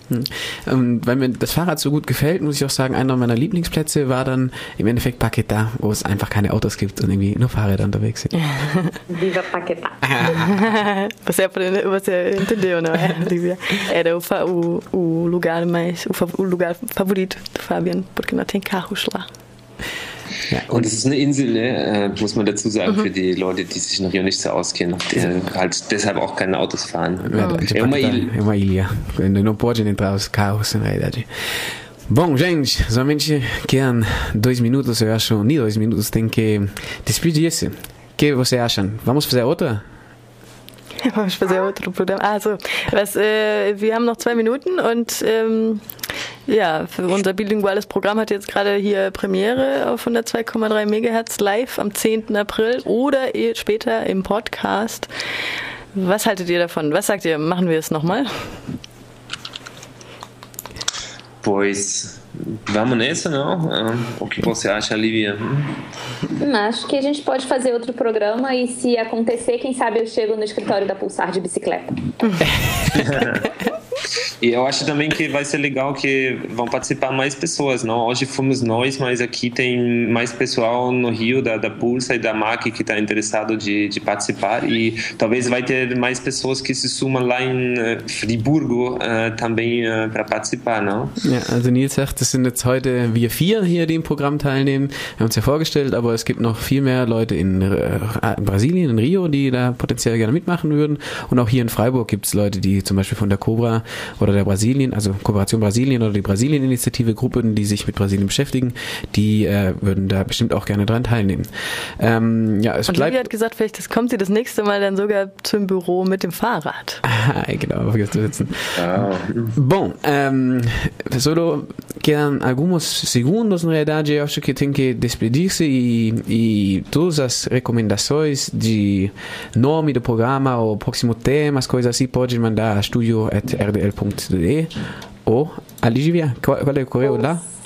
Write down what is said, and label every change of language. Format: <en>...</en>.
<de>Weil mir das Fahrrad so gut gefällt, muss ich auch sagen, einer meiner Lieblingsplätze war dann im Endeffekt Paquetá, wo es einfach keine Autos gibt und irgendwie nur Fahrräder unterwegs sind.</de> <pt>Viva Paquetá. Você aprendeu, você entendeu, não é? Era o lugar mais, o lugar favorito do Fabian, porque não tem carros lá.</pt> <de>Ja. Und es ist eine Insel, ne? Muss man dazu sagen, mhm. für die Leute, die sich noch hier nicht so auskennen, die halt deshalb auch keine Autos fahren.</de> <pt>É uma ilha. Não pode entrar os carros, na verdade. Bom, gente, somente quedam dois minutos, eu acho, nem dois minutos, tem que despedir-se. O que vocês acham? Vamos fazer outra? Vamos fazer outro programa.</pt> <de>Ah, so. Was, wir haben noch zwei Minuten und ja, unser bilinguales Programm hat jetzt gerade hier Premiere auf 102,3 MHz live am 10. April oder später im Podcast. Was haltet ihr davon? Was sagt ihr? Machen wir es nochmal?</de> <pt>Pois, vamos nessa, não? O que você acha, Lívia? Acho que a gente pode fazer outro programa e se acontecer, quem sabe eu chego no escritório da Pulsar de bicicleta. E eu acho também que vai ser legal que vão participar mais pessoas, não? Hoje fomos nós, mas aqui tem mais pessoal no Rio da Pulsa e da MAC que está interessado de participar e talvez vai ter mais pessoas que se sumam lá em Friburgo também para participar, não?</pt> <de>Ja, also Nils sagt, es sind jetzt heute wir vier hier, die im Programm teilnehmen. Wir haben uns ja vorgestellt, aber es gibt noch viel mehr Leute in Brasilien, in Rio, die da potenziell gerne mitmachen würden. Und auch hier in Freiburg gibt es Leute, die zum Beispiel von der Cobra oder der Brasilien, also Kooperation Brasilien oder die Brasilien-Initiative, Gruppen, die sich mit Brasilien beschäftigen, die würden da bestimmt auch gerne dran teilnehmen. Ja, es und Livia hat gesagt, vielleicht kommt sie das nächste Mal dann sogar zum Büro mit dem Fahrrad. Genau, vergiss zu sitzen.</de> <pt>Bom,</pt> <es>solo quedan algunos segundos,</es> <pt>na verdade, eu acho que tem que despedir-se e todas as recomendações de nome do programa ou próximo tema, as coisas assim, pode mandar a studio@rdl.de ou a Ligivia, qual é o correio lá?</pt>